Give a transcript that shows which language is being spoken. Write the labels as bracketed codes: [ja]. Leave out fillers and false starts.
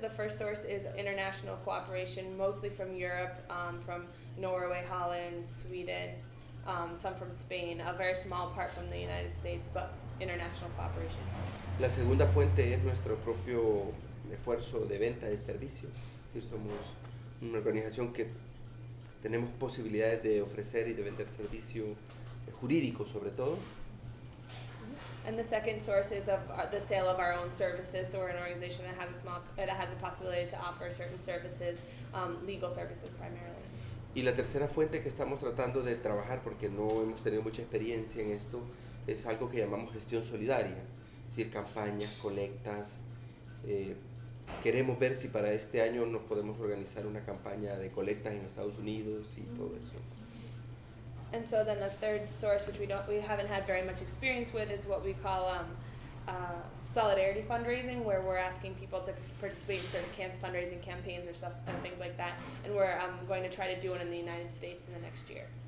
[en] The first source is international cooperation, mostly from Europe, from Norway, Holland, Sweden, some from Spain, a very small part from the United States, but international cooperation. [es] La segunda fuente es nuestro propio esfuerzo de venta de servicios. Somos una organización que tenemos posibilidades de ofrecer y de vender servicio jurídico, sobre todo. [en] And the second source is of the sale of our own services. So we're an organization that has the possibility to offer certain services, legal services primarily. [es] Y la tercera fuente que estamos tratando de trabajar, porque no hemos tenido mucha experiencia en esto, es algo que llamamos gestión solidaria, es decir, campañas, colectas. Queremos ver si para este año nos podemos organizar una campaña de colectas en Estados Unidos y todo eso. [en] And so then the third source, which we haven't had very much experience with, is what we call solidarity fundraising, where we're asking people to participate in certain fundraising campaigns or stuff and things like that. And we're going to try to do one in the United States in the next year.